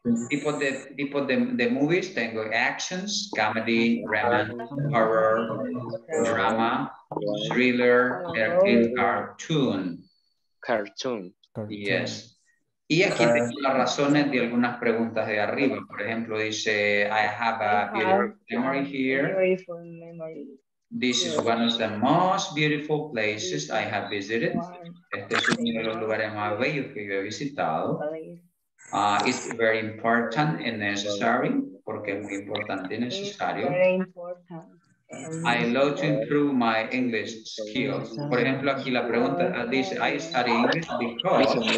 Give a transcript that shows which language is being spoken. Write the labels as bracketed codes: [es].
[es] Tipos de movies, tengo actions, comedy, romance, horror, drama, thriller, cartoon. [en] Cartoon. Yes. [es] Y aquí tengo las razones de algunas preguntas de arriba. Por ejemplo, dice, [en] I have a beautiful memory here. This is one of the most beautiful places I have visited. [es] Este es uno de los lugares más bellos que yo he visitado. [en] It's very important and necessary, [es] porque es muy importante y necesario. [en] I love to improve my English skills. [es] Por ejemplo, aquí la pregunta dice, [en] I study English because...